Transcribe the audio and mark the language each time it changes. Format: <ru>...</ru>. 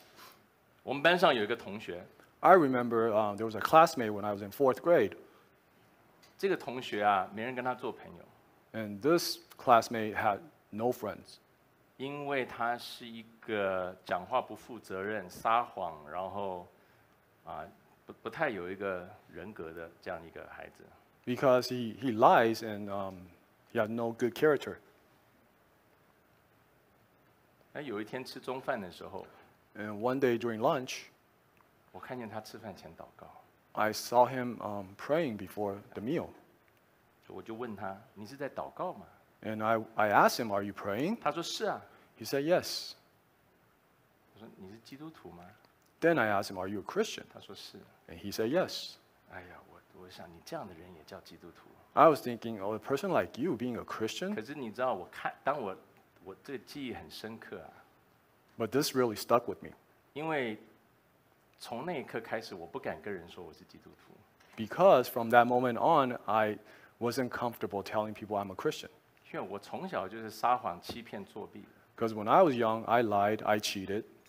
<zh>我记得我小学四年级的时候，我们班上有一个同学。</zh> <en>I remember there was a classmate when I was in fourth grade.</en> <zh>这个同学啊, 没人跟他做朋友。</zh> <en>And this classmate had no friends.</en> <zh>因为他是一个讲话不负责任, 撒谎, 然后, 啊, 不太有一个人格的这样一个孩子。</zh> <en>Because he lies and he had no good character.</en> <zh>有一天吃中饭的时候,</zh> <en>and one day during lunch,</en> <zh>我看见他吃饭前祷告。</zh> <en>I saw him praying before the meal.</en> <zh>我就问他, 你是在祷告吗?</zh> <en>And I asked him, are you praying?</en> <zh>他说是啊。</zh> <en>He said, yes.</en> <zh>我说, 你是基督徒吗?</zh> <en>Then I asked him, are you a Christian?</en> <zh>他说是。</zh> <en>And he said, yes.</en> <zh>哎呀, 我想你这样的人也叫基督徒。</zh> <en>I was thinking, oh, a person like you being a Christian?</en> <zh>可是你知道我看, 当我, 我这个记忆很深刻啊。</zh> <en>But this really stuck with me.</en> <zh>因为 从那一刻开始我不敢跟人说我是基督徒。</zh> <en>Because from that moment on, I wasn't comfortable telling people I'm a Christian.</en> <zh>因为我从小就是撒谎欺骗作弊。</zh> <en>Because when I was young, I lied, I cheated.</en>